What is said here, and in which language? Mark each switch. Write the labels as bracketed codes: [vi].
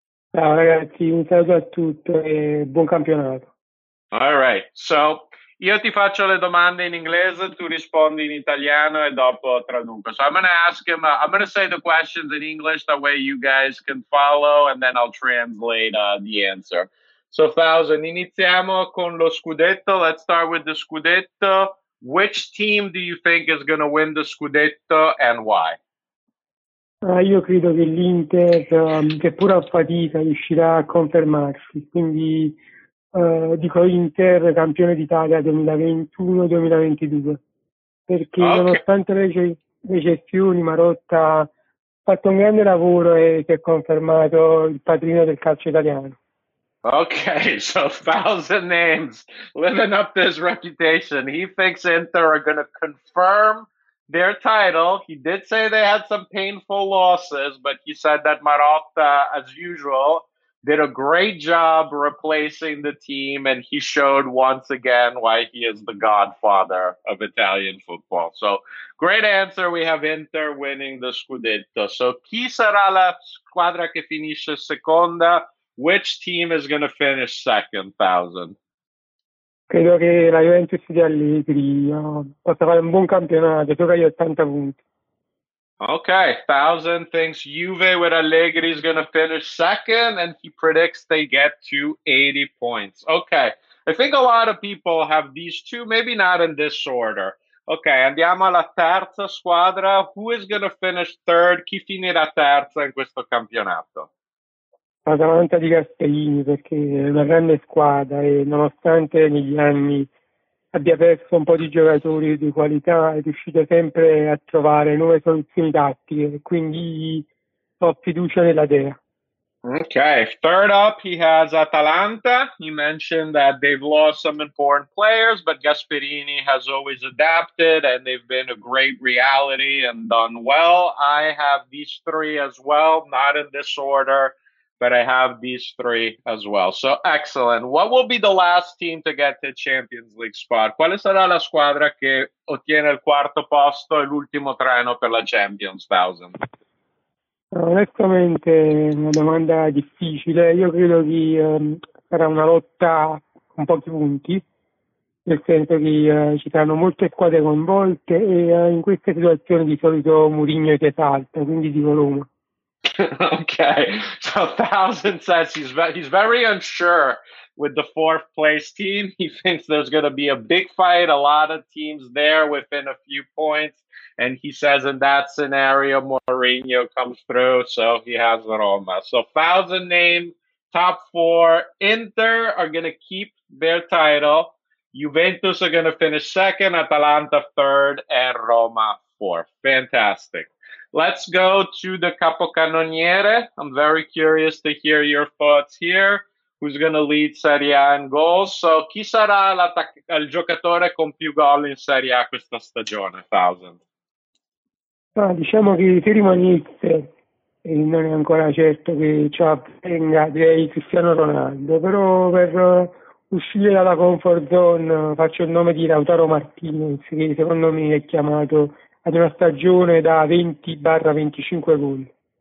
[it] Ciao ragazzi, un saluto a tutti e buon campionato. [en] All right, so [it] io ti faccio le domande in inglese, tu rispondi in italiano e dopo traduco. [en] So I'm going to ask him, I'm going to say the questions in English, that way you guys can follow, and then I'll translate the answer. [it] So 1,000, iniziamo con lo scudetto. [en] Let's start with the scudetto. Which team do you think is going to win the scudetto and why? [it] Io credo che l'Inter, che pure a fatica, riuscirà a confermarsi, quindi dico Inter campione d'Italia 2021-2022, perché okay, nonostante le gestioni Marotta ha fatto un grande lavoro e si è confermato il padrino del calcio italiano. [en] Okay, so 1,000 names living up to his reputation. He thinks Inter are going to confirm their title. He did say they had some painful losses, but he said that Marotta, as usual, did a great job replacing the team, and he showed once again why he is the godfather of Italian football. So, great answer. We have Inter winning the Scudetto. [it] So, chi sarà la squadra che finisce seconda? [en] Which team is going to finish second, Thousand? [it] Credo che la Juventus di Allegri possa fare un buon campionato, gioca gli 80 punti. [en] Okay, Thousand thinks Juve with Allegri is going to finish second, and he predicts they get to 80 points. Okay, I think a lot of people have these two, maybe not in this order. Okay, [it] andiamo alla terza squadra. [en] Who is going to finish third? [it] Chi finirà terza in questo campionato? Atalanta di Castellini, perché è una grande squadra e nonostante negli anni abbia perso un po' di giocatori di qualità, è riuscita sempre a trovare nuove soluzioni tattiche, quindi ho fiducia nella Dea. [en] Ok, third up he has Atalanta. He mentioned that they've lost some important players, but Gasperini has always adapted and they've been a great reality and done well. I have these three as well, not in this order, but I have these three as well. So, excellent. What will be the last team to get the Champions League spot? [it] Quale sarà la squadra che ottiene il quarto posto e l'ultimo treno per la Champions, Thousand? Onestamente, una domanda difficile. Io credo che sarà una lotta con pochi punti, nel senso che ci saranno molte squadre coinvolte e in queste situazioni di solito Mourinho si esalta, quindi dico Roma. [en] Okay, so Thousand says he's very unsure with the fourth place team. He thinks there's going to be a big fight, a lot of teams there within a few points. And he says in that scenario, Mourinho comes through, so he has Roma. So Thousand name, top four, Inter are going to keep their title. Juventus are going to finish second, Atalanta third, and Roma fourth. Fantastic. Let's go to the capocannoniere. I'm very curious to hear your thoughts here. Who's going to lead Serie A in goals? [it] So, chi sarà il giocatore con più gol in Serie A questa stagione, Thousand? Ah, diciamo che se rimanesse, e non è ancora certo che ciò avvenga, direi Cristiano Ronaldo. Però per uscire dalla comfort zone faccio il nome di Lautaro Martinez, che secondo me è chiamato ad una stagione da 20-25 gol.